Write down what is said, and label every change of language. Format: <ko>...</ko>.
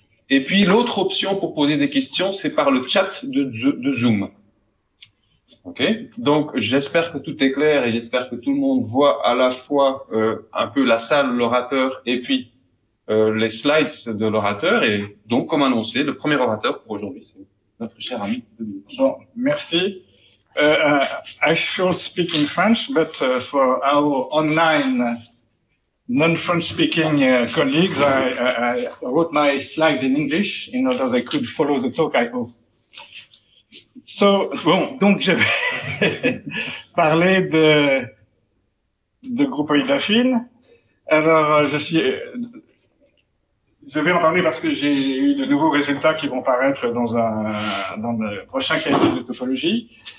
<fr>Et puis, l'autre option pour poser des questions, c'est par le chat de Zoom. OK? Donc, j'espère que tout est clair et j'espère que tout le monde voit à la fois un peu la salle, l'orateur et puis les slides de l'orateur. Et donc, comme annoncé, le premier orateur pour aujourd'hui, c'est notre cher ami. Bon, merci.</fr> <en>I shall speak in French, but for our online non-French speaking colleagues, I wrote my slides in English in order they could follow the talk, I hope.</en> <fr>So, bon, donc je vais parler de groupe Idafin. Alors, je vais en parler parce que j'ai eu de nouveaux résultats qui vont paraître dans le prochain cahier de topologie.</fr>